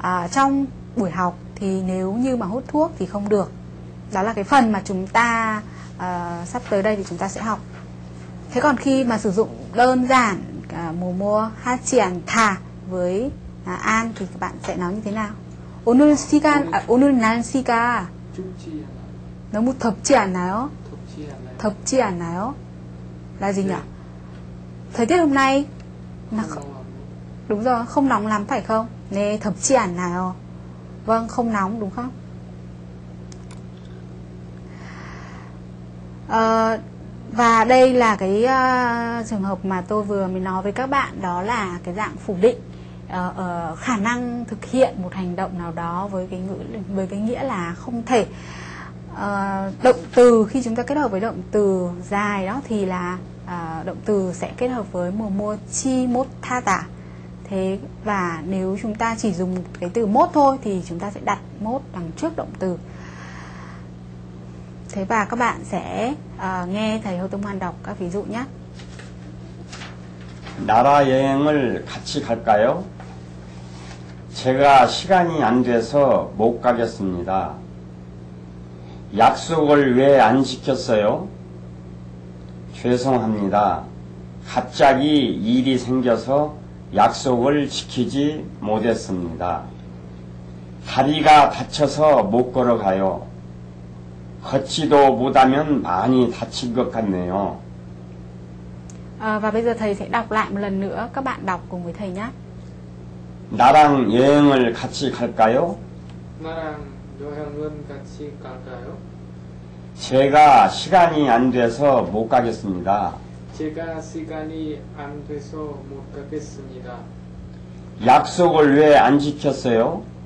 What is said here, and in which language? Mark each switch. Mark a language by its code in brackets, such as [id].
[vi] Trong buổi học thì nếu như mà hút thuốc thì không được. Đó là cái phần mà chúng ta sắp tới đây thì chúng ta sẽ học. Thế còn khi mà sử dụng đơn giản mồ mua hát triển thà với an thì các bạn sẽ nói như thế nào? [ko] 오늘 시간 오늘 날씨가 너무 덥지 않아요? 덥지 않아요? 덥지 않아요? [vi] Là gì nhỉ? Thời tiết hôm nay là không, đúng rồi, không nóng lắm phải không? Nè, thập chi ảnh nào. Vâng, không nóng đúng không? Và đây là cái trường hợp mà tôi vừa mới nói với các bạn, đó là cái dạng phủ định, khả năng thực hiện một hành động nào đó với cái ngữ, với cái nghĩa là không thể. Động từ khi chúng ta kết hợp với động từ dài đó thì là động từ sẽ kết hợp với mồ mua chi mốt tha tả. Thế và nếu chúng ta chỉ dùng cái từ mốt thôi thì chúng ta sẽ đặt mốt đằng trước động từ. Thế và các bạn sẽ nghe thầy Hồ Tông Hoan đọc các ví dụ nhé. [ko] 나라 여행을 같이 갈까요? 제가 시간이 안 돼서 못 가겠습니다. 약속을 왜 안 지켰어요? 죄송합니다. 갑자기 일이 생겨서 약속을 지키지 못했습니다. 다리가 다쳐서 못 걸어가요. 걷지도 못하면 많이 다친 것 같네요. [vi] Và bây giờ thầy sẽ đọc lại một lần nữa. Các bạn đọc cùng với thầy nhé. [ko] 나랑 여행을 같이 갈까요? 나랑 여행은 같이 갈까요? 제가 시간이 안 돼서 못 가겠습니다. 제가 시간이 안 돼서 못 가겠습니다. 약속을 왜 안 지켰어요?